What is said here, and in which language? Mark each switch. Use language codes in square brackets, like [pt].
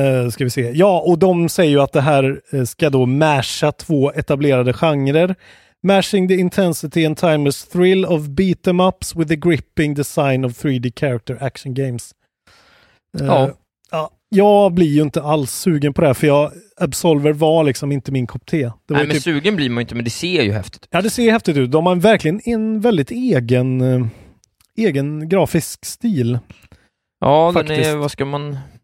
[sv] Ska vi se. Ja, och de säger ju att det här ska då masha två etablerade genrer. [en] Mashing the intensity and timeless thrill of beat 'em ups with the gripping design of 3D character action games. [sv] Ja. Ja. jag blir ju inte alls sugen på det här, för jag, Absolver var liksom inte min kopp te. Det var nej, men typ... sugen blir man inte, men det ser ju häftigt ut. Ja, det ser häftigt ut. De har verkligen en väldigt egen egen grafisk stil. Ja, faktiskt. Den är, vad ska man